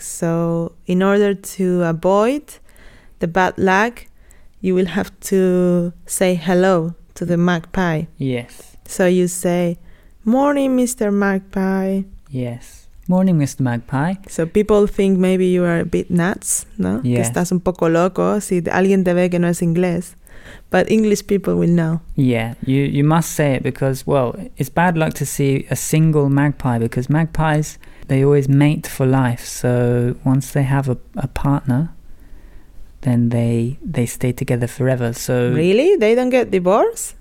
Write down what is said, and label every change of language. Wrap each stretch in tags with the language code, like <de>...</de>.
<en>So in order to avoid the bad luck, you will have to say hello to the magpie. Yes. So you say, "Morning, Mr. Magpie." Yes. Morning, Mr. Magpie. So people think maybe you are a bit nuts, no? Yes.</en> <es>Que estás un poco loco, si alguien te ve que no es inglés.</es> <en>But English people will know. Yeah, you must say it because, well, it's bad luck to see a single magpie because magpies, they always mate for life. So once they have a partner, then they stay together forever. So really? They don't get divorced?</en>